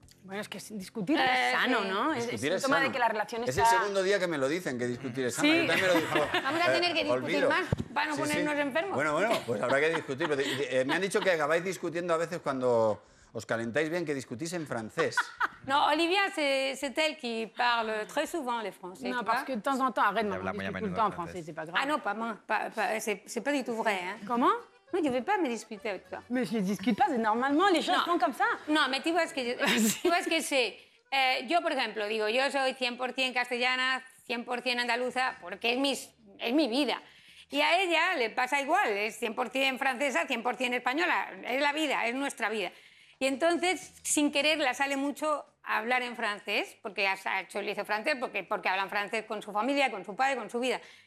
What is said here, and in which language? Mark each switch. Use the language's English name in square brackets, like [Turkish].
[Spanish] Bueno, es que discutir es sano, ¿no? Discutir es sano. De que la relación está... Es el segundo día que me lo dicen, que discutir es sano. Yo también me lo dijo. Vamos a tener que discutir olvido. Más para no ponernos enfermos. Bueno, pues habrá que discutir. Me han dicho que acabáis discutiendo a veces cuando os calentáis bien, que discutís en francés. [French] No, Olivia, c'est elle qui parle très souvent le français. Non, parce que de temps en temps, arrête, elle me dispute tout le temps en français, c'est pas grave. Ah non, pas moi, c'est pas du tout vrai. Hein. Comment? Non, je ne vais pas me disputer avec toi. Mais je ne discute pas, c'est normalement, les choses sont comme ça. Non, mais tu vois ce que c'est. [Spanish] Yo, por ejemplo, digo, yo soy 100% castellana, 100% andaluza, porque es mi vida. Y a ella le pasa igual, es 100% francesa, 100% española, es la vida, es nuestra vida. Y entonces, sin querer, la sale mucho hablar en francés, porque ha hecho el liceo francés, porque hablan francés con su familia, con su padre, con su vida.